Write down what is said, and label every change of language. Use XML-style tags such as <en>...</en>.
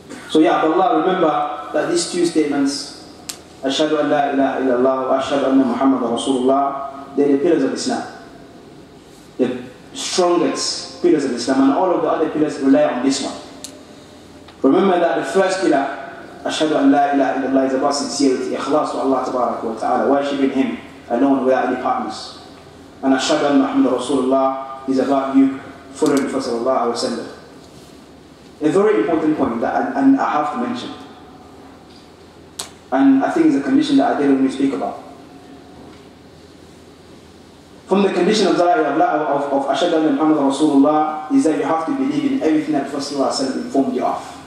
<en>So yeah, Allah, remember that these two statements,</en> <ar>أَشْهَدُ أَنْ لَا إِلَهَ إِلَّا اللَّهُ وَأَشْهَدُ أَنَّ مُحَمَّدَ رَسُولُ اللَّهُ,</ar> <en>they're the pillars of Islam. The strongest pillars of Islam, and all of the other pillars rely on this one. Remember that the first pillar,</en> <ar>أَشْهَدُ أَنْ لَا إِلَهَ إِلَّا اللَّهِ,</ar> <en>is about sincerity, إِخْلَاص to Allah تبارك وتعالى, worshiping Him alone without any partners. And</en> <ar>أَشْهَدُ أَنَّ مُحَمَّدَ رَسُولُ اللَّهِ</ar> <en>is about you, following the Prophet صلى الله عليه وسلم. A very important point that I have to mention. And I think it's a condition that I didn't really speak about. From the condition of</en> <ar>Ashhadu anna Muhammad Rasulullah</ar> <en>is that you have to believe in everything that Prophet Sallallahu Alaihi Wasallam informed you of.</en>